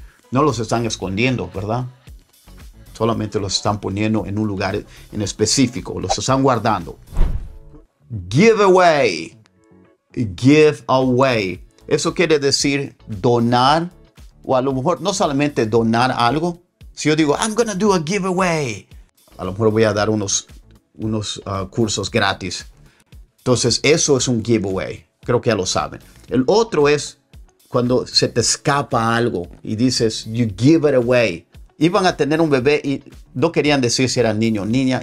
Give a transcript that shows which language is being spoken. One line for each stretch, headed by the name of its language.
Spanish: No los están escondiendo, ¿verdad? Solamente los están poniendo en un lugar en específico. Los están guardando. Give away. Give away. Eso quiere decir donar. O a lo mejor no solamente donar algo. Si yo digo,
English: I'm going to do a giveaway.
Spanish: A lo mejor voy a dar unos cursos gratis. Entonces, eso es un giveaway. Creo que ya lo saben. El otro es cuando se te escapa algo y dices,
English: you give it away.
Spanish: Iban a tener un bebé y no querían decir si era niño o niña.